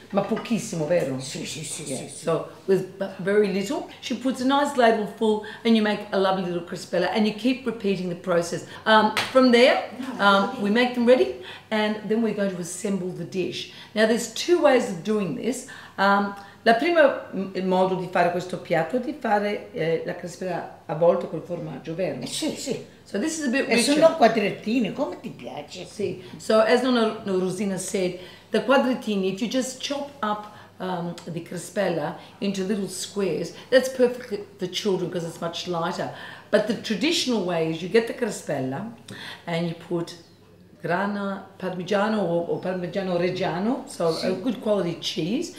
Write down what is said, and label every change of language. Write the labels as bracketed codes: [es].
[it] Ma pochissimo, vero? Sì, sì, sì, sì. [en] So with very little, she puts a nice ladle full and you make a lovely little crespella and you keep repeating the process. From there, we make them ready and then we're going to assemble the dish. Now there's two ways of doing this. [it] La prima modo di fare questo piatto è di fare la crespella avvolta col formaggio, vero? Sì, sì. [en] So this is a bit richer. [it] E sono quadrettini, come ti piace? Sì. [en] So as nonna Rosina said, the quadrettini, if you just chop up the crespella into little squares, that's perfect for the children because it's much lighter. But the traditional way is you get the crespella and you put grana parmigiano or parmigiano reggiano, so sì, a good quality cheese.